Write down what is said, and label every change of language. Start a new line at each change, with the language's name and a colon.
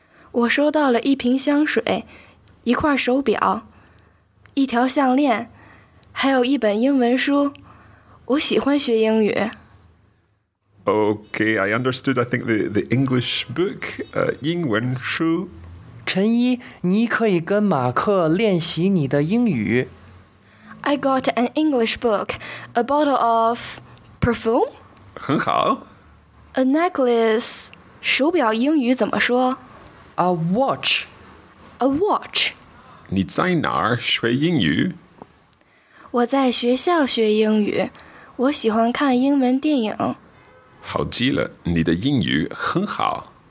Chinese: 我收到了一瓶香水，一块手表，一条项链，还有一本英文书。我喜欢学英语。
English: Okay, I understood. I think the English book, 英文书。
Chinese: 陈一，你可以跟马克练习你的英语。
English: I got an English book, a bottle of perfume?
Chinese: 很好。
English: A necklace,
Chinese: 手表英语怎么说
English: ？A watch. A watch.
Chinese: 你在哪儿学英语？我在学校学英语，我喜欢看英文电影。好极了，你的英语很好。